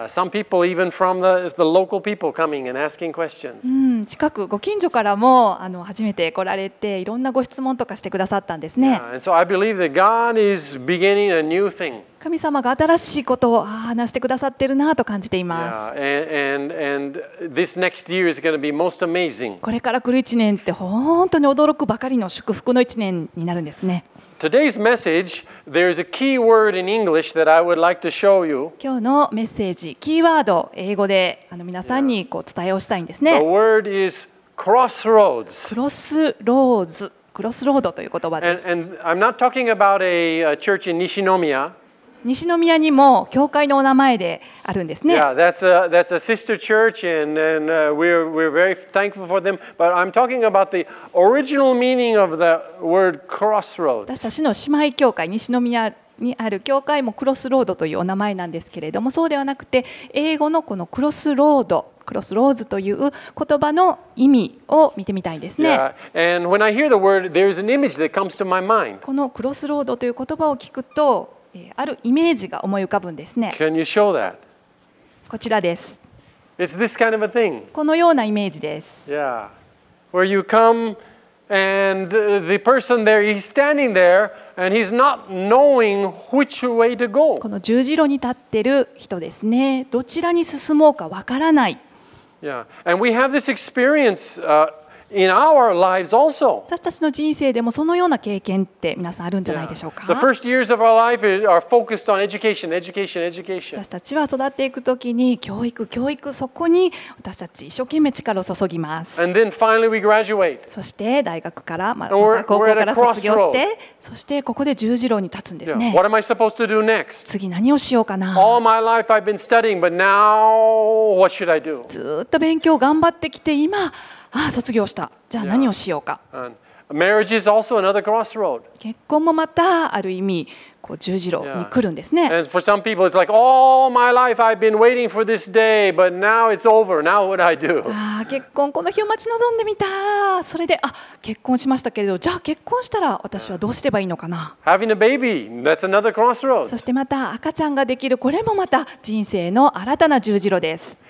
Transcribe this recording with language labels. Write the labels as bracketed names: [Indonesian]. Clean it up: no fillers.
[English] Some people even from the local people coming and asking questions. [Japanese] 近くご近所からも初めて来られて、いろんなご質問とかしてくださったんですね。 [English] And so I believe that God is beginning a new thing. [Japanese] 神様が新しいことを話してくださってるなと感じています。 [English] And this next year is going to be most amazing. [Japanese] これから来る一年って本当に驚くばかりの祝福の一年になるんですね。 [English] Today's message, there's a key word in English that I would like to show you. [Japanese] 今日のメッセージ、キーワード、英語で皆さんにこう伝えをしたいんですね。 [English] The word is crossroads. [Japanese] Crossroads, crossroad という言葉です。 [English] And I'm not talking about a church in Nishinomiya. [Japanese] 西宮にも教会のお名前であるんですね。 [English] Yeah, that's a sister church, and we're very thankful for them. But I'm talking about the original meaning of the word crossroads. [Japanese] 私たちの姉妹教会、西宮にある教会もクロスロードというお名前なんですけれども、そうではなくて英語のこのクロスロード、クロスローズという言葉の意味を見てみたいですね。 [English] Yeah. And when I hear the word, there's an image that comes to my mind. [Japanese] このクロスロードという言葉を聞くと、あるイメージが思い浮かぶんですね。 [English] Can you show that? [Japanese] こちらです。 [English] It's this kind of a thing. [Japanese] このようなイメージです。 [English] Yeah. Where you come and the person there, he's standing there and he's not knowing which way to go. [Japanese] この十字路に立ってる人ですね。どちらに進もうかわからない。 [English] Yeah. And we have this experience, in our lives also. [Japanese] 私たちの人生でもそのような経験って皆さんあるんじゃないでしょうか。 [English] The first years of our life are focused on education, education, education. [Japanese] 私たちは育っていくときに教育、教育、そこに私たち一生懸命力を注ぎます。 [English] And then finally we graduate. [Japanese] そして大学から、高校から卒業して、そしてここで十字路に立つんですね。 [English] What am I supposed to do next? [Japanese] 次何をしようかな。 [English] All my life I've been studying, but now what should I do? [Japanese] ずっと勉強頑張ってきて今。ああ卒業した。じゃあ何をしようか。 [English] Marriage is also another crossroad. [Japanese] 結婚もまたある意味こう十字路に来るんですね。 [English] And for some people, it's like all my life I've been waiting for this day, but now it's over. Now what I do? [Japanese] 結婚この日を待ち望んでみた。それで結婚しましたけれど、じゃあ結婚したら私はどうすればいいのかな。 [English] Having a baby, that's another crossroad. [Japanese] そしてまた赤ちゃんができる、これもまた人生の新たな十字路です。